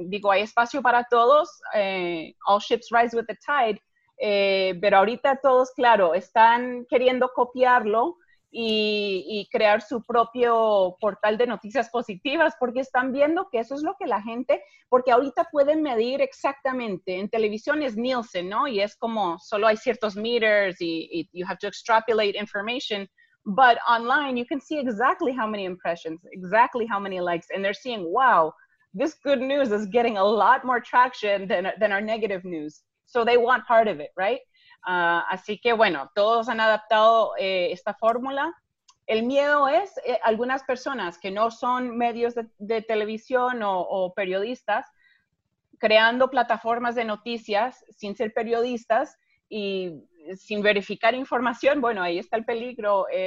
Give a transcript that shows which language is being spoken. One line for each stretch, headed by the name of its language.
Spanish: Digo, hay espacio para todos,
English: all ships rise with the tide,
Spanish: pero ahorita todos, claro, están queriendo copiarlo y crear su propio portal de noticias positivas, porque están viendo que eso es lo que la gente, porque ahorita pueden medir exactamente, en televisión es Nielsen, ¿no? Y es como, solo hay ciertos meters y
English: you have to extrapolate information, but online you can see exactly how many impressions, exactly how many likes, and they're seeing, wow, this good news is getting a lot more traction than our negative news. So they want part of it, right?
Spanish: Así que, bueno, todos han adaptado esta fórmula. El miedo es algunas personas que no son medios de televisión o periodistas creando plataformas de noticias sin ser periodistas y sin verificar información, bueno, ahí está el peligro.